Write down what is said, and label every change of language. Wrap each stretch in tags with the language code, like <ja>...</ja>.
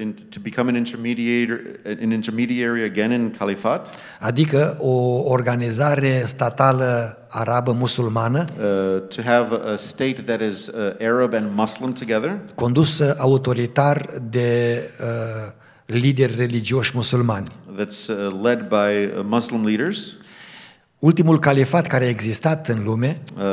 <en>to become an intermediary again in Califat.</en> <ro>Adică o organizare statală arabă musulmană.</ro> <en>To have a state that is Arab and Muslim together.</en> <ro>Condusă autoritar de lideri religioși musulmani.</ro> <en>That's led by Muslim leaders.</en> <ro>Ultimul califat care a existat în lume,</ro>